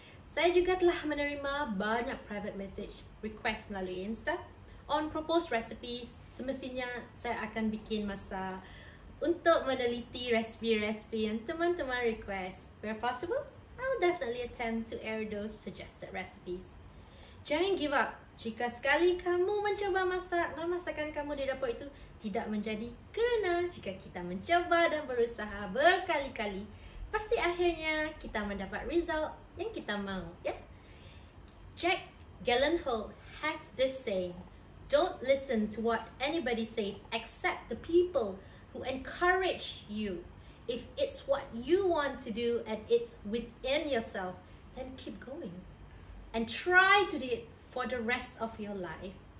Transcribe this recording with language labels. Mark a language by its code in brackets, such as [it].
[ms] Saya juga telah menerima banyak private message request melalui Insta [en] on proposed recipes, [ms] semestinya saya akan bikin masa untuk meneliti resipi-resipi yang teman-teman request. [en] Where possible, I'll definitely attempt to air those suggested recipes. [ms] Jangan [en] give up. [ms] Jika sekali kamu mencuba masak dan masakan kamu didapat itu tidak menjadi, kerana jika kita mencuba dan berusaha berkali-kali, pasti akhirnya kita mendapat result yang kita mahu, ya? [en] Yeah? Jack Gyllenhaal has this saying: don't listen to what anybody says except the people who encourage you. If it's what you want to do and it's within yourself, then keep going and try to do it for the rest of your life.